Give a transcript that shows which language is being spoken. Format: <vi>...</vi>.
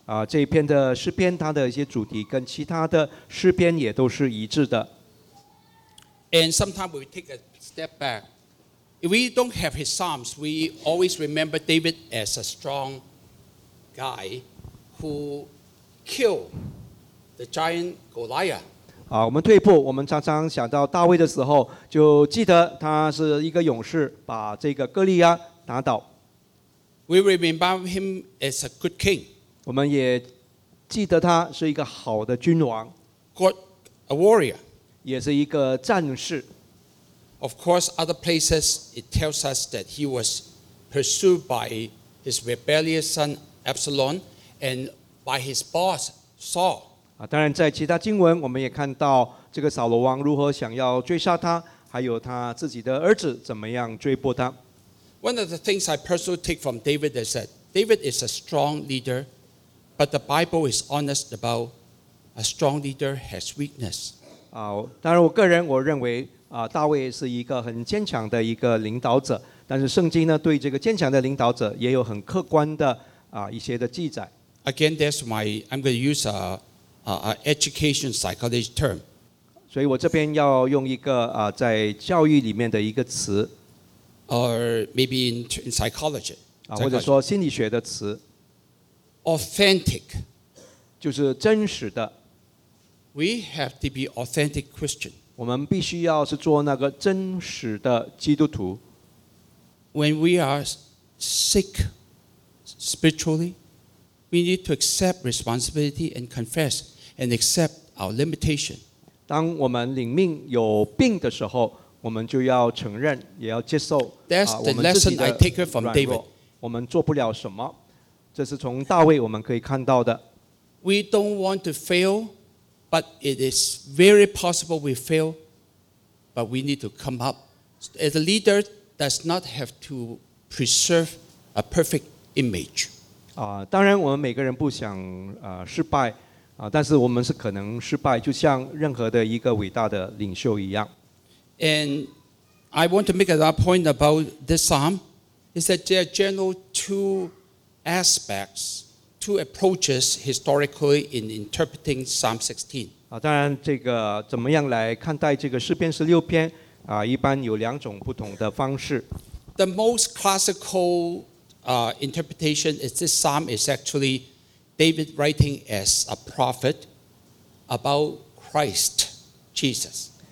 <zh>这一篇的诗篇它的一些主题跟其他的诗篇也都是一致的。</zh> <en>And sometimes we take a step back. If we don't have his Psalms, we always remember David as a strong guy who killed the giant Goliath.</en> <zh>我们退步，我们常常想到大卫的时候，就记得他是一个勇士，把这个哥利亚打倒。</zh> <en>We remember him as a good king.</en> <zh>我们也记得他是一个好的君王。</zh> <en>Got a warrior.</en> <zh>也是一个战士。</zh> <en>Of course, other places it tells us that he was pursued by his rebellious son. Absalom and by his boss Saul.</en> <zh>当然在其他经文我们也看到这个扫罗王如何想要追杀他，还有他自己的儿子怎么样追捕他。</zh> <en>One of the things I personally take from David is that David is a strong leader, but the Bible is honest about a strong leader has weakness.</en> <zh>当然我个人我认为大卫是一个很坚强的一个领导者，但是圣经呢对这个坚强的领导者也有很客观的一些的记载。</zh> <en>Again, I'm going to use an education psychology term.</en> <zh>所以我这边要用一个在教育里面的一个词。</zh> <en>Or maybe in psychology.</en> <zh>或者说心理学的词。</zh> <en>Authentic.</en> <zh>就是真实的。</zh> <en>We have to be authentic Christian.</en> <zh>我们必须要是做那个真实的基督徒。</zh> <en>When we are sick spiritually, we need to accept responsibility and confess and accept our limitation.</en> <zh>当我们灵命有病的时候，我们就要承认，也要接受我们自己的软弱。</zh> <en>That's the lesson I take from David.</en> <zh>我们做不了什么，这是从大卫我们可以看到的。</zh> <en>We don't want to fail, but it is very possible we fail. But we need to come up. As a leader, does not have to preserve a perfect image.</en> <zh>当然我们每个人不想失败，但是我们是可能失败，就像任何的一个伟大的领袖一样。</zh> <en>And I want to make another point about this psalm, is that there are general two aspects, two approaches historically in interpreting Psalm 16.</en> <zh>当然这个怎么样来看待这个诗篇十六篇，一般有两种不同的方式。</zh> <en>The most classical interpretation is this psalm is actually David writing as a prophet about Christ Jesus.</en>